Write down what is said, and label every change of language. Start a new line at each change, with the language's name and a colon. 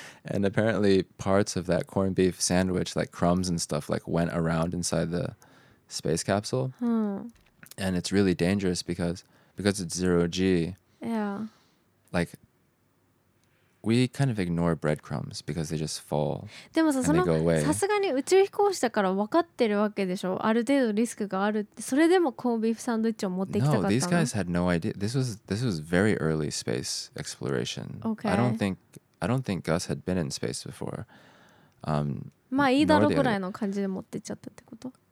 English: And apparently parts of that corned beef sandwich, like crumbs and stuff, like went around inside the space capsule. And it's really dangerous because it's zero G. Yeah. Like, we kind of ignore breadcrumbs because they just fall and they go away.
Japanese: さすがに宇宙飛行士だから分かってるわけでしょ。ある程度リスクがある。それでもコンビーフサンドイッチを持ってきたかったの?
English: No, these guys had no idea. This was very early space exploration. Okay. I don't think Gus had been in space before.
Japanese: まあいいだろうぐらいの感じで持ってっちゃったってこと?